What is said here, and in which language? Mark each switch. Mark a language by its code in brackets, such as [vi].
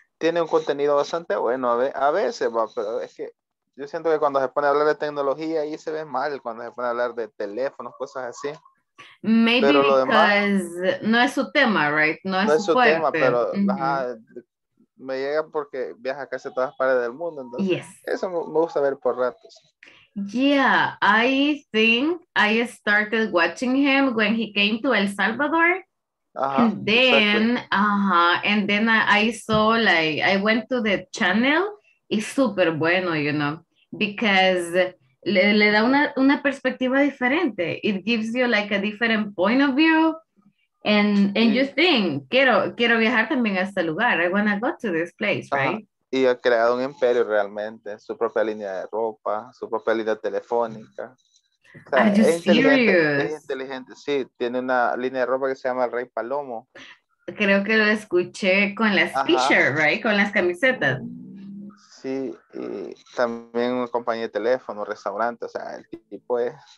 [es] Tiene un contenido bastante bueno, a veces, pero es que yo siento que cuando se pone a hablar de tecnología ahí se ve mal, cuando se pone a hablar de teléfonos, cosas así. [en] Maybe [es] pero lo demás, no es su tema, [en] right? [es] No es su fuerte. Tema, pero me llega porque viaja casi a todas partes del mundo, entonces [en] yes. [es] Eso me gusta ver por ratos. [en] Yeah, I think I started watching him when he came to El Salvador. And then I saw, like, I went to the channel. [es] Es super bueno, [en] you know, because [es] le da una perspectiva diferente. [en] It gives you like a different point of view. And you think, [es] quiero viajar también a este lugar. [en] I want to go to this place, right? [es] Y ha creado un imperio realmente. Su propia línea de ropa, su propia línea telefónica. Es inteligente, sí. Tiene una línea de ropa que se llama El Rey Palomo. Creo que lo escuché con las t-shirts, [en] right? [es] Con las camisetas. Sí, y también una compañía de teléfono, restaurante, o sea, el tipo es...